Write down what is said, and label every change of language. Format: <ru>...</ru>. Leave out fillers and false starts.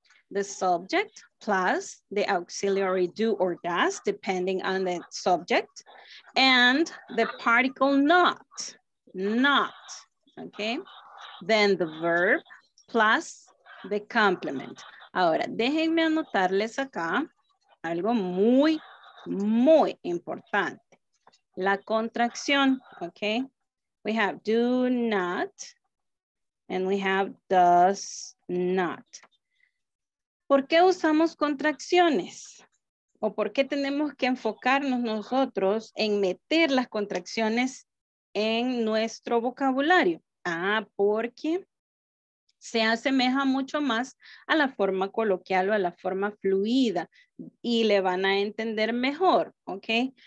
<en>The subject plus the auxiliary do or does, depending on the subject, and the particle not, not, okay? Then the verb plus the complement.</en> <es>Ahora, déjenme anotarles acá algo muy, muy importante. La contracción, okay?</es> <en>We have do not, and we have does not.</en> <es>¿Por qué usamos contracciones? ¿O por qué tenemos que enfocarnos nosotros en meter las contracciones en nuestro vocabulario? Ah, porque se asemeja mucho más a la forma coloquial o a la forma fluida y le van a entender mejor, ¿ok?</es>